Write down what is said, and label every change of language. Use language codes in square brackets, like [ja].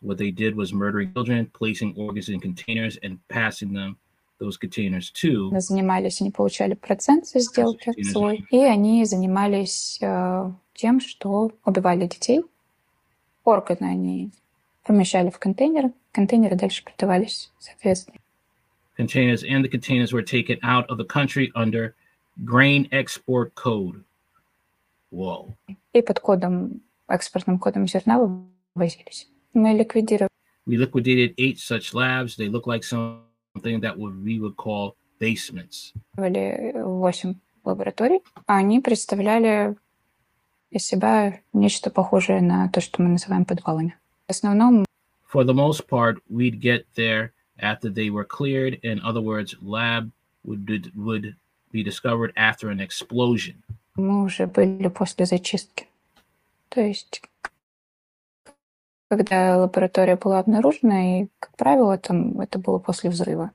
[en] What they did was murdering children, placing organs in containers and passing them those containers to... [ru] Занимались, они получали процент за сделки свой, и они занимались тем, что убивали детей. Органы они помещали в контейнеры, контейнеры дальше продавались, соответственно. [en] Containers and the containers were taken out of the country under grain export code. Whoa. [ru] И под кодом, экспортным кодом зерна вывозились. Мы ликвидировали. [en] We liquidated 8 such labs. They look like something that we would call basements. [ru] Были 8 лабораторий. Они представляли из себя нечто похожее на то, что мы называем подвалами. В основном... [en] For the most part, we'd get there after they were cleared. In other words, lab would be discovered after an explosion. [ru] Мы уже были после зачистки. То есть, когда лаборатория была обнаружена, и, как правило, там это было после взрыва.